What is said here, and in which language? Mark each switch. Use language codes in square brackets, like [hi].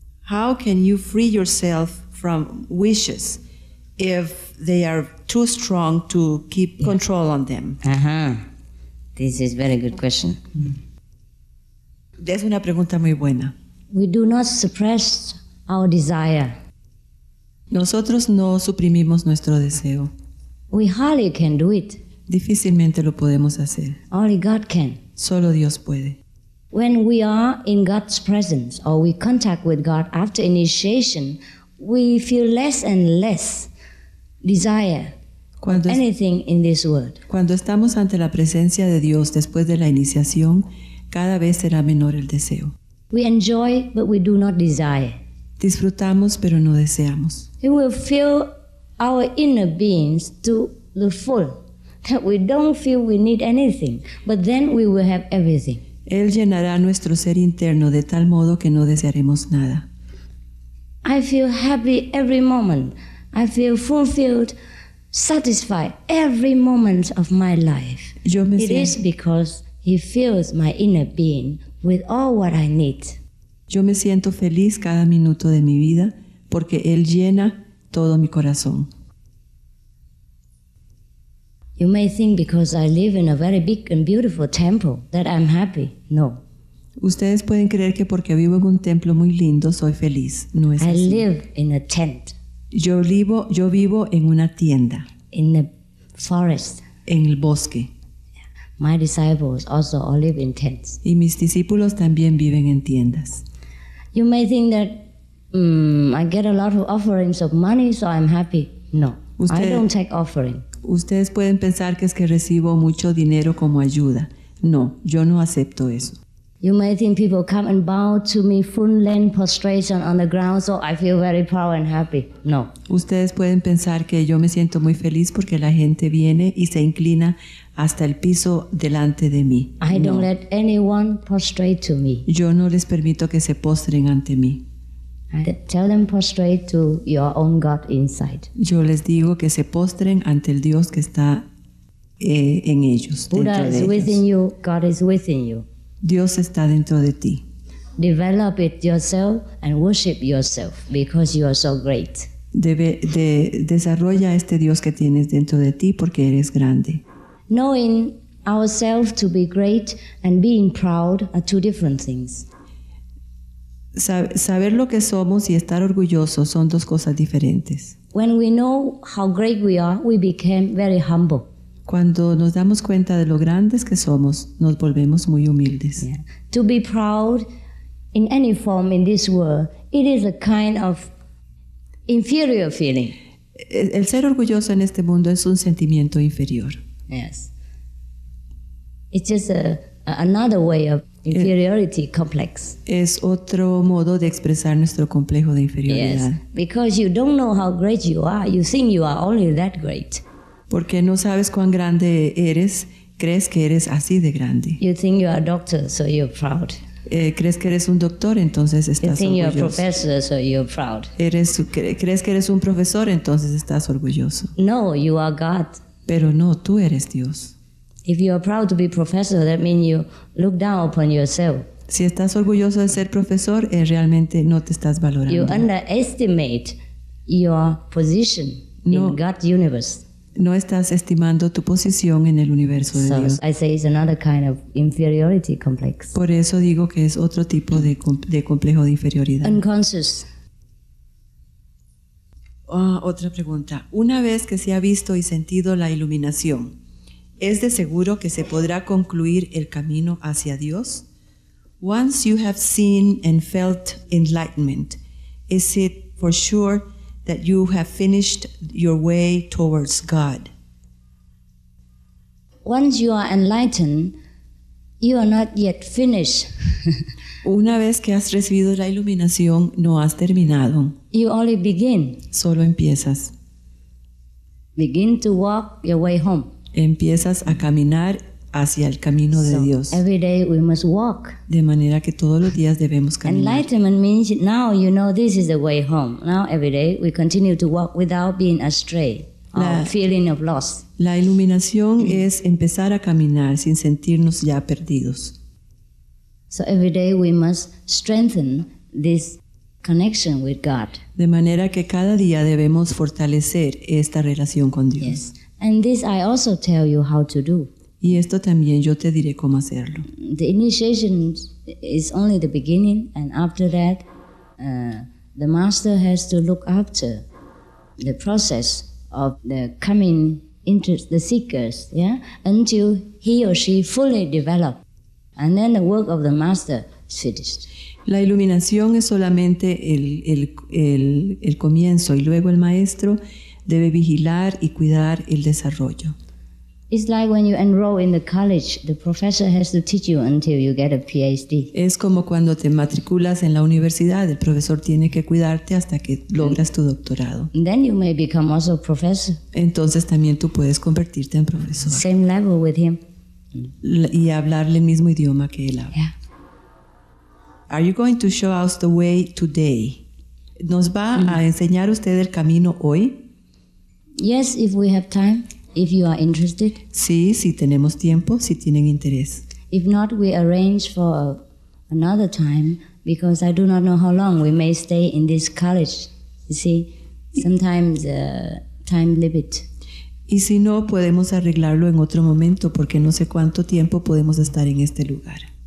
[en] How can you free yourself from wishes if they are too strong to keep control on them? Uh-huh. This is a very good question. [es] Es una pregunta muy buena. [en] We do not suppress our desire. [es] Nosotros no suprimimos nuestro deseo. [en] We hardly can do it. [es] Difícilmente lo podemos hacer. [en] Only God can. [es] Solo Dios puede. [en] When we are in God's presence or we contact with God after initiation, we feel less and less desire for anything in this world. [es] Cuando estamos ante la presencia de Dios después de la iniciación, cada vez será menor el deseo. [en] We enjoy, but we do not desire. [es] Disfrutamos, pero no deseamos. [en] It will fill our inner beings to the full, that we don't feel we need anything, but then we will have everything. [es] Él llenará nuestro ser interno de tal modo que no desearemos nada. [en] I feel happy every moment. I feel fulfilled, satisfied every moment of my life. It is because He fills my inner being with all what I need. [es] Yo me siento feliz cada minuto de mi vida porque Él llena todo mi corazón. [en] You may think because I live in a very big and beautiful temple that I'm happy. No. [es] Ustedes pueden creer que porque vivo en un templo muy lindo soy feliz. No es así. [en] I live in a tent. [es] Yo vivo en una tienda. [en] In the forest. [es] En el bosque. [en] My disciples also all live in tents. [es] Y mis discípulos también viven en tiendas. [en] You may think that I get a lot of offerings of money, so I'm happy. No, I don't take offering. [es] Ustedes pueden pensar que es que recibo mucho dinero como ayuda. No, yo no acepto eso. [en] You may think people come and bow to me full length prostration on the ground, so I feel very proud and happy. No. [es] Ustedes pueden pensar que yo me siento muy feliz porque la gente viene y se inclina hasta el piso delante de mí. [en] I don't let anyone prostrate to me. [es] Yo no les permito que se postren ante mí. [en] Tell them prostrate to your own God inside. [es] Yo les digo que se postren ante el Dios que está en ellos, [en] Buddha [es] dentro de [en] is [es] ellos. [en] Within you, God is within you. [es] Dios está dentro de ti. [en] Develop it yourself and worship yourself because you are so great. [es] Desarrolla este Dios que tienes dentro de ti porque eres grande. [en] Knowing ourselves to be great and being proud are two different things. [es] Saber lo que somos y estar orgulloso son dos cosas diferentes. [en] When we know how great we are, we become very humble. [es] Cuando nos damos cuenta de lo grandes que somos, nos volvemos muy humildes. [en] Yeah. To be proud in any form in this world, it is a kind of inferior feeling. [es] El ser orgulloso en este mundo es un sentimiento inferior. [en] Yes. It's just another way of inferiority complex. [es] Es otro modo de expresar nuestro complejo de inferioridad. [en] Yes, because you don't know how great you are, you think you are only that great. [es] Porque no sabes cuán grande eres, crees que eres así de grande. [en] You think you are a doctor, so you're proud. [es] Crees que eres un doctor, entonces estás orgulloso. [en] You think you're a professor, so you're proud. [es] Crees que eres un profesor, entonces estás orgulloso. [en] No, you are God. [es] Pero no, tú eres Dios. [en] If you are proud to be professor, that means you look down upon yourself. [es] Si estás orgulloso de ser profesor, realmente no te estás valorando. [en] You underestimate your position in God's universe. [es] No estás estimando tu posición en el universo de Dios. [en] I say it's another kind of inferiority complex. [es] Por eso digo que es otro tipo de complejo de inferioridad. [en] Unconscious. [es] Otra pregunta. Una vez que se ha visto y sentido la iluminación, ¿es de seguro que se podrá concluir el camino hacia Dios? [en] Once you have seen and felt enlightenment, is it for sure that you have finished your way towards God? Once you are enlightened, you are not yet finished. [es] Una vez que has recibido la iluminación, no has terminado. [en] You only begin. [es] Solo empiezas. [en] Begin to walk your way home. [es] Empiezas a caminar hacia el camino de Dios. [en] Every day we must walk. [es] De manera que todos los días debemos caminar. [en] Enlightenment means now you know this is the way home. Now every day we continue to walk without being astray or feeling of loss. [es] La iluminación es empezar a caminar sin sentirnos ya perdidos. [en] So every day we must strengthen this connection with God. [es] De manera que cada día debemos fortalecer esta relación con Dios. [en] Yes. And this I also tell you how to do. [es] Y esto también yo te diré cómo hacerlo. [en] The initiation is only the beginning, and after that, the master has to look after the process of the coming into the seekers, yeah, until he or she fully develop, and then the work of the master is finished. [es] La iluminación es solamente el comienzo, y luego el maestro debe vigilar y cuidar el desarrollo. [en] It's like when you enroll in the college, the professor has to teach you until you get a PhD. [es] Es como cuando te matriculas en la universidad, el profesor tiene que cuidarte hasta que logras tu doctorado. [en] Then you may become also a professor. [es] Entonces también tú puedes convertirte en profesor. [en] Same level with him. [es] Y hablarle el mismo idioma que él habla. [en] Yeah. Are you going to show us the way today? [es] ¿Nos va a enseñar usted el camino hoy? [en] Yes, if we have time. If you are interested. [es] Sí, si tenemos tiempo, si tienen interés. [en] If not, we arrange for another time, because I do not know how long we may stay in this college. You see, sometimes time limit. [es] Y si no, podemos arreglarlo en otro momento, porque no sé cuánto tiempo podemos estar en este lugar.